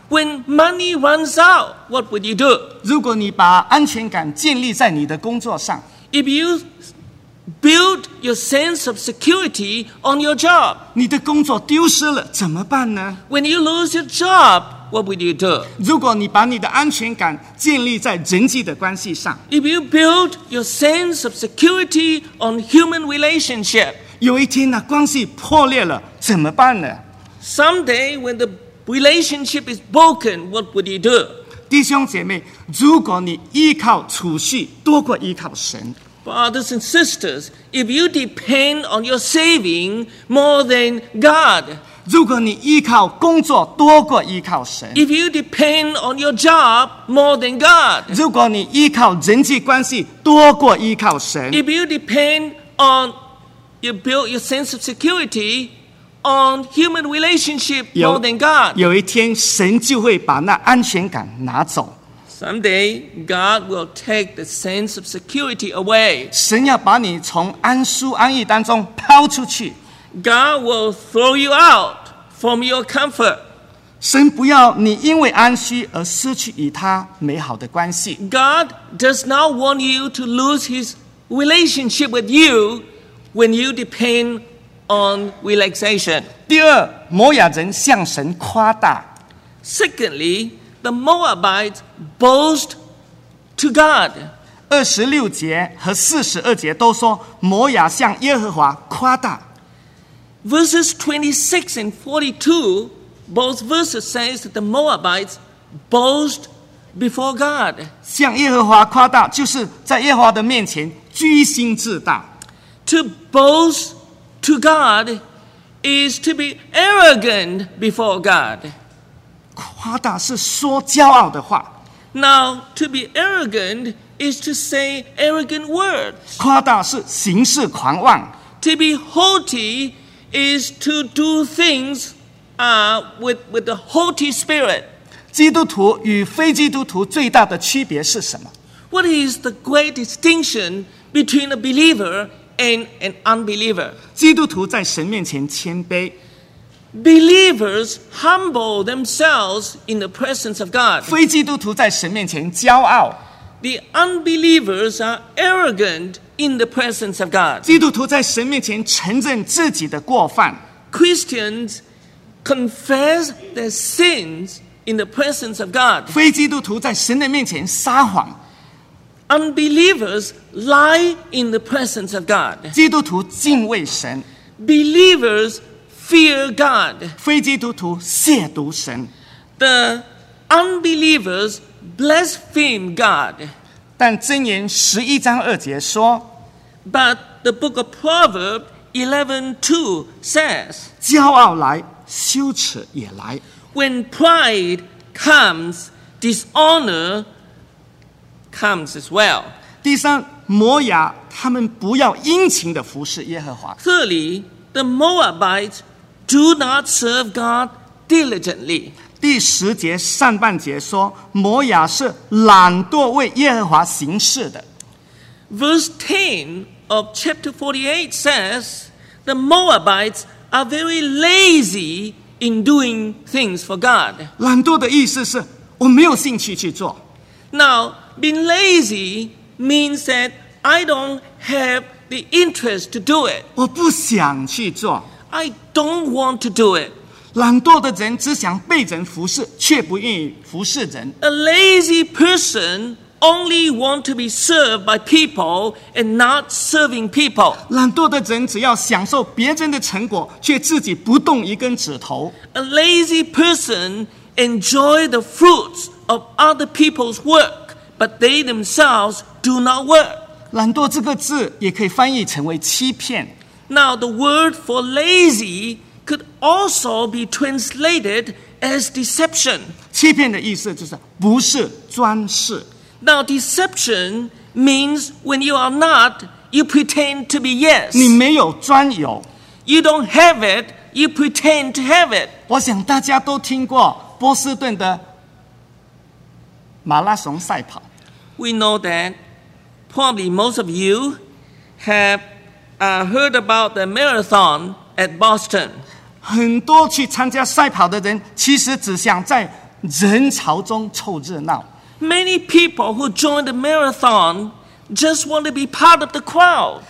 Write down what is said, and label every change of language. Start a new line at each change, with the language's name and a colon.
English: When money runs out, what would you do?
Chinese: 如果你把安全感建立在你的工作上。
English: If you build your sense of security on your job.
Chinese: 你的工作丢失了，怎么办呢？
English: When you lose your job, what would you do?
Chinese: 如果你把你的安全感建立在人际的关系上。
English: If you build your sense of security on human relationship.
Chinese: 有一天那关系破裂了，怎么办呢？
English: Someday when the relationship is broken, what would you do?
Chinese: 弟兄姐妹，如果你依靠储蓄多过依靠神。
English: Brothers and sisters, if you depend on your saving more than God,
Chinese: 如果你依靠工作多过依靠神，
English: if you depend on your job more than God,
Chinese: 如果你依靠人际关系多过依靠神，
English: if you depend on, you build your sense of security on human relationship more than God,
Chinese: 有一天神就会把那安全感拿走。
English: Someday, God will take the sense of security away.
Chinese: 神要把你从安舒安逸当中抛出去。
English: God will throw you out from your comfort.
Chinese: 神不要你因为安息而失去与他美好的关系。
English: God does not want you to lose his relationship with you when you depend on relaxation.
Chinese: 第二，摩亚人向神夸大。
English: Secondly,The Moabites boast to God.
Chinese: 二十六节和四十二节都说摩亚向耶和华夸大。
English: Verses 26 and 42, both verses says that the Moabites boast before God.
Chinese: 向耶和华夸大，就是在耶和华的面前居心自大。
English: To boast to God is to be arrogant before God.
Chinese: 夸大是说骄傲的话。
English: Now, to be arrogant is to say arrogant words.
Chinese: 夸大是行事狂妄。
English: To be haughty is to do things with the haughty spirit.
Chinese: 基督徒与非基督徒最大的区别是什么？
English: What is the great distinction between a believer and an unbeliever?
Chinese: 基督徒在神面前谦卑。
English: Believers humble themselves in the presence of God.
Chinese: 非基督徒在神面前骄傲。
English: The unbelievers are arrogant in the presence of God.
Chinese: 基督徒在神面前承认自己的过犯。
English: Christians confess their sins in the presence of God.
Chinese: 非基督徒在神的面前撒谎。
English: Unbelievers lie in the presence of God.
Chinese: 基督徒敬畏神。
English: Believers fear God.
Chinese: 非基督徒亵渎神。
English: The unbelievers blaspheme God.
Chinese: 但箴言十一章二节说。
English: But the book of Proverbs 11:2 says.
Chinese: 骄傲来，羞耻也来。
English: When pride comes, dishonor comes as well.
Chinese: 第三，摩押他们不要殷勤地服侍耶和华。
English: Thirdly, the Moabites do not serve God diligently.
Chinese: 第十节上半节说，摩押是懒惰为耶和华行事的。
English: Verse 10 of chapter 48 says, the Moabites are very lazy in doing things for God.
Chinese: 懒惰的意思是我没有兴趣去做。
English: Now, being lazy means that I don't have the interest to do it.
Chinese: 我不想去做。
English: I don't want to do it.
Chinese: 懒惰的人只想被人服侍，却不愿意服侍人。
English: A lazy person only want to be served by people and not serving people.
Chinese: 懒惰的人只要享受别人的成果，却自己不动一根指头。
English: A lazy person enjoy the fruits of other people's work, but they themselves do not work.
Chinese: 懒惰这个字也可以翻译成为欺骗。
English: Now the word for lazy could also be translated as deception.
Chinese: 欺骗的意思就是不是专事。
English: Now deception means when you are not, you pretend to be yes.
Chinese: 你没有专有。
English: You don't have it, you pretend to have it.
Chinese: 我想大家都听过波士顿的马拉松赛跑。
English: We know that probably most of you have heard about the marathon at Boston.
Chinese: 很多去参加赛跑的人其实只想在人潮中凑热闹。
English: Many people who join the marathon just want to be part of the crowd.